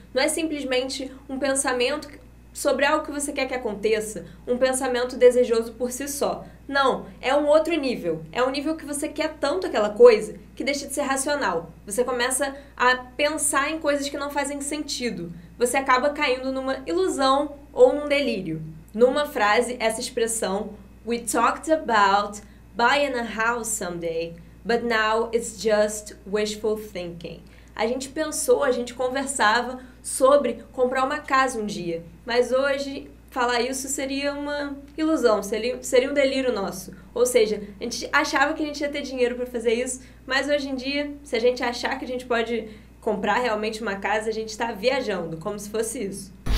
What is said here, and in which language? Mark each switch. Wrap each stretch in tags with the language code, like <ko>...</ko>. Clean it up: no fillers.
<pt>Não é simplesmente um pensamento sobre algo que você quer que aconteça, um pensamento desejoso por si só. Não, é um outro nível. É um nível que você quer tanto aquela coisa que deixa de ser racional. Você começa a pensar em coisas que não fazem sentido. Você acaba caindo numa ilusão ou num delírio. Numa frase, essa expressão,</pt> <en>we talked about buying a house someday, but now it's just wishful thinking.</en> <pt>A gente pensou, a gente conversava sobre comprar uma casa um dia, mas hoje falar isso seria uma ilusão, seria um delírio nosso. Ou seja, a gente achava que a gente ia ter dinheiro para fazer isso, mas hoje em dia, se a gente achar que a gente pode comprar realmente uma casa, a gente está viajando, como se fosse isso.</pt>